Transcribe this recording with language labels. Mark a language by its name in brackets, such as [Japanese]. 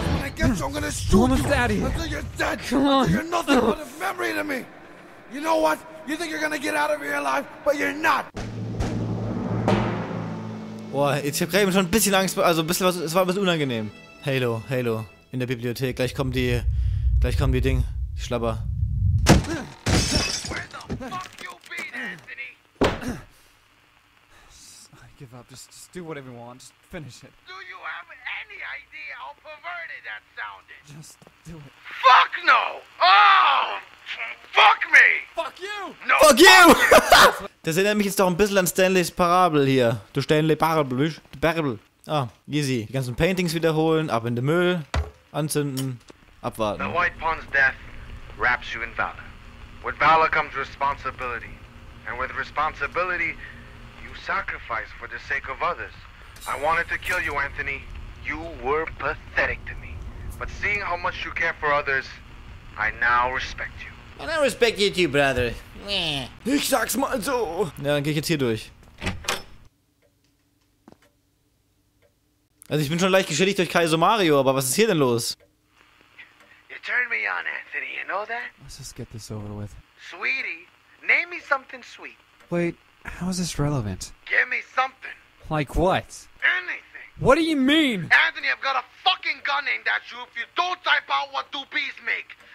[English] I guess I'm gonna shoot you until you're dead! Come on! You're nothing but a memory to me! You know what? You think you're gonna get out of here alive, but you're not! [German] Boah, jetzt hab ich gerade schon ein bisschen Angst, also ein bisschen was, es war ein bisschen unangenehm. Halo, Halo. In der Bibliothek, gleich kommen die Ding. Die Schlabber. [English] Give up. Just do whatever you want. Just finish it. Do you have any idea how perverted that sounded? Just do it. Fuck no! Oh! Fuck me! Fuck you! No! Fuck you! [German] Das erinnert mich jetzt doch ein bisschen an Stanleys Parabel hier. Du Stanley Parabel, wisch? Parabel. [English] Ah, easy. [German] Die ganzen Paintings wiederholen, ab in den Müll, anzünden, abwarten. [English] The White Pawn's death wraps you in valor. With valor comes responsibility. And with responsibility, sacrifice for the sake of others. I wanted to kill you, Anthony. You were pathetic to me. But seeing how much you care for others, I now respect you. And I respect you too, brother. [German] Ich sag's mal so. Ja, dann geh ich jetzt hier durch. Also ich bin schon leicht geschädigt durch Kaizo Mario, aber was ist hier denn los? [English] You turned me on, Anthony, you know that? Let's just get this over with. Sweetie, name me something sweet. Wait. How is this relevant? Give me something. Like what? Anything. What do you mean? Anthony, I've got a fucking gun aimed at you if you don't type out what do bees make.